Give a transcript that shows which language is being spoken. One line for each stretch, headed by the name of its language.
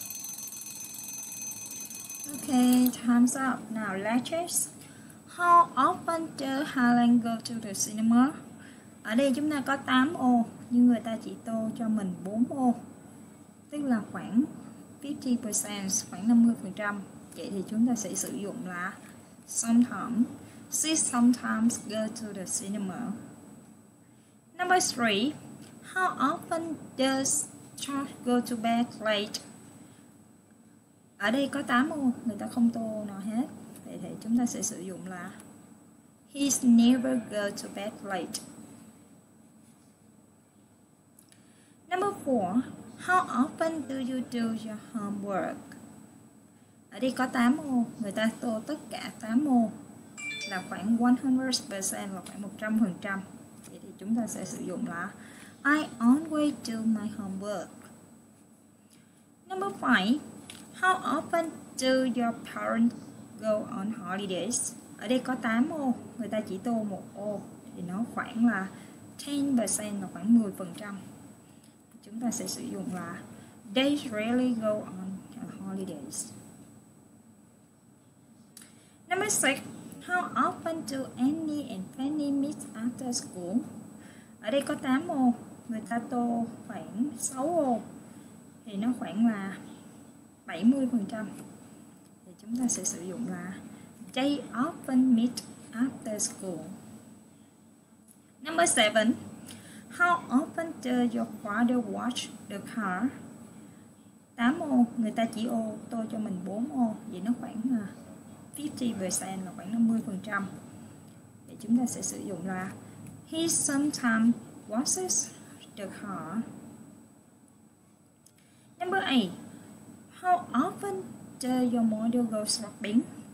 English: Okay, time's up. Now, lectures. How often do Helen go to the cinema?
Vietnamese: Ở đây chúng ta có 8 ô, nhưng người ta chỉ tô cho mình 4 ô. Tức là khoảng 50%, khoảng 50%. Vậy thì chúng ta sẽ sử dụng là sometimes.
English: She sometimes go to the cinema. Number 3. How often does Charles go to bed late?
Vietnamese: Ở đây có 8 ô, người ta không tô nào hết. Vậy thì chúng ta sẽ sử dụng là
English: he never go to bed late. Number 4. How often do you do your homework?
Vietnamese: Ở đây có 8 ô, người ta tô tất cả 8 ô là khoảng 100% và khoảng 100%. Vậy thì chúng ta sẽ sử dụng là
English: I always do my homework. Number 5. How often do your parents go on holidays?
Vietnamese: Ở đây có 8 ô, người ta chỉ tô 1 ô thì nó khoảng là 10% và khoảng 10%. Chúng ta sẽ sử dụng là
English: they rarely go on holidays. Number 6. How often do Annie and Fanny meet after school?
Vietnamese: Ở đây có 8 ô, người ta tô khoảng 6 ô thì nó khoảng là 70%. Thì chúng ta sẽ sử dụng là
English: they often meet after school. Number 7. How often do your father wash the car?
Vietnamese: 8 ô, người ta chỉ ô tô cho mình 4 ô, vậy nó khoảng 50% là khoảng 50%. Thì chúng ta sẽ sử dụng là
English: he sometimes washes the car. Number 8. How often do your mother go shopping?